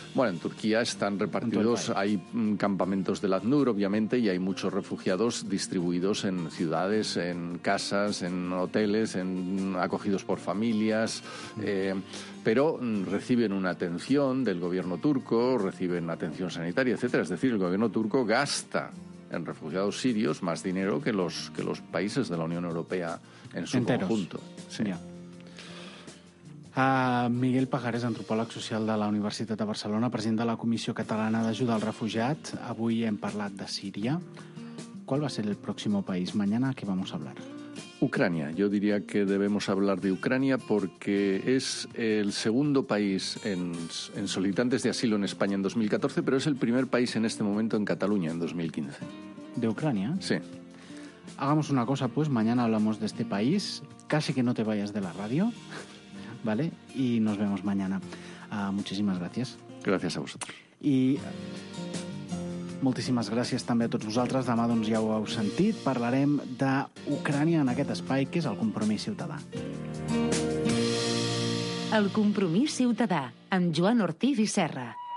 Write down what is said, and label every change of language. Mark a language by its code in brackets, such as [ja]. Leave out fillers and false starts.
[es] Bueno, en Turquía están repartidos, hay campamentos del ACNUR, obviamente, y hay muchos refugiados distribuidos en ciudades, en casas, en hoteles, acogidos por familias. Pero reciben una atención del gobierno turco, reciben atención sanitaria, etcétera. Es decir, el gobierno turco gasta en refugiados sirios más dinero que los países de la Unión Europea en su enteros. Conjunto. Sí. Ya. [ca] Miguel Pajares, antropòleg social de la Universitat de Barcelona, president de la Comissió Catalana d'Ajuda al Refugiat. Avui hem parlat de Síria. [es] ¿Cuál va a ser el próximo país? Mañana, ¿qué vamos a hablar? Ucrania. Yo diría que debemos hablar de Ucrania porque es el segundo país en solicitantes de asilo en España en 2014, pero es el primer país en este momento en Cataluña en 2015. ¿De Ucrania? Sí. Hagamos una cosa, pues. Mañana hablamos de este país. Casi que no te vayas de la radio. Vale, y nos vemos mañana. Muchísimas gracias. Gracias a vosotros. [ca] I moltíssimes gràcies també a tots vosaltres. Demà, doncs, ja ho heu sentit, parlarem d'Ucrània en aquest espai, que és el Compromís Ciutadà. El Compromís Ciutadà, amb Joan Ortiz i Serra.